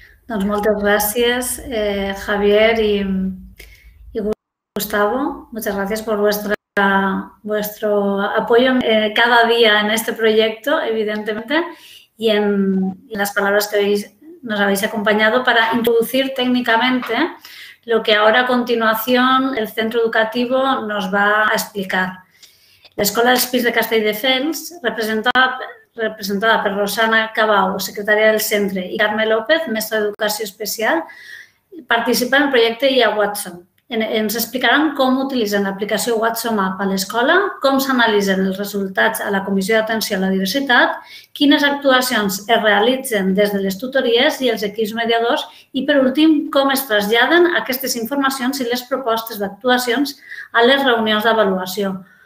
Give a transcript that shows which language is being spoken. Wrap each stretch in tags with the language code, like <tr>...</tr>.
<ca>Doncs moltes gràcies, Javier i Gustavo.</ca> <es>Muchas gracias por vuestro apoyo cada día en este proyecto, evidentemente, y en las palabras que nos habéis acompañado para introducir técnicamente lo que ahora a continuación el centro educativo nos va a explicar.</es> <ca>La Escuela d'Espais de Castelldefels, representada per Rosana Cabau, secretària del centre, i Carme López, mestre d'Educació Especial, participa en el projecte IA Watson. Ens explicaran com utilitzen l'aplicació Watson Map a l'escola, com s'analitzen els resultats a la Comissió d'Atenció a la Diversitat, quines actuacions es realitzen des de les tutories i els equips mediadors i, per últim, com es traslladen aquestes informacions i les propostes d'actuacions a les reunions d'avaluació.</ca>